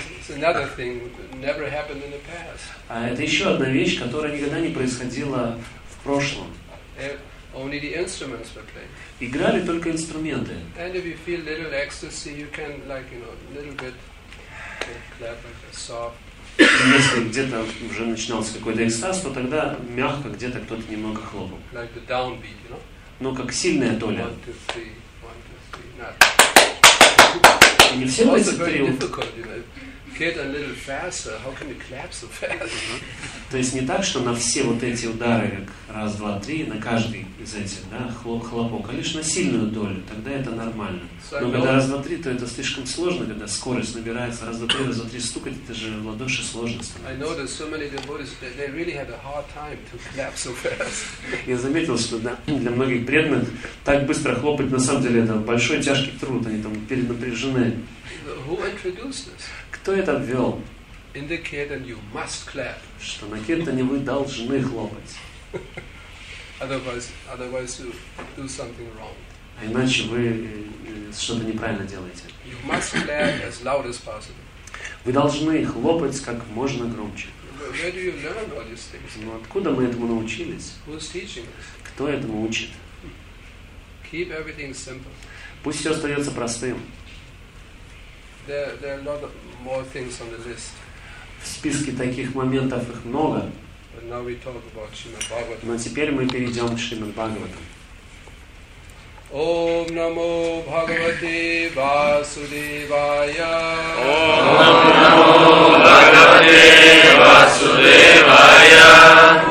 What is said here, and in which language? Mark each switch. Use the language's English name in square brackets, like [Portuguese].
[English] Another thing that never happened in the past. [Russian] А это еще одна вещь, которая никогда не происходила в прошлом. [English] Only the instruments were playing. [Russian] Играли только инструменты. [English] And if you feel little ecstasy, you can like, you know, a little bit clap like a soft. [Russian] Если где-то уже начинался какой-то экстаз, то тогда мягко где-то кто-то немного хлопал. [English] Like the downbeat, you know? [Russian] Но как сильная доля. [English] One, two, three, one, two, three, not. [Russian] И не все это три. [English] Get a little faster. How can you clap so fast? [Russian] То есть не так, что на все вот эти удары, как раз, два, три, на каждый из этих, да, хлопок, а лишь на сильную долю, тогда это нормально. Но когда раз, два, три, то это слишком сложно, когда скорость набирается, раз, два, три стукать, это же в ладоши сложно становится. [English] I know that so many devotees, they really had a hard time to clap so fast. [Russian] Я заметил, что для многих преданных так быстро хлопать, на самом деле, это большой тяжкий труд, они там перенапряжены. [English] Who introduced this? [Russian] Кто это ввел? [English] In the kirtan you must clap. [Russian] Что на киртане вы должны хлопать. [English] Otherwise you do something wrong. [Russian] А иначе вы что-то неправильно делаете. [English] You must clap as loud as possible. [Russian] Вы должны хлопать как можно громче. [English] Where do you learn all these things? [Russian] Ну, откуда мы этому научились? [English] Who's teaching us? [Russian] Кто этому учит? [English] Keep everything simple. [Russian] Пусть все остается простым. [English] There are a lot of more things on the list. [Russian] В списке таких моментов их много. [English] But now we talk about Shrimad Bhagavatam. [Russian] Но теперь мы перейдем к Шримад Бхагаватам. [Sanskrit] Ом намо Бхагавате Васудевая. Ом намо Бхагавате Васудевая.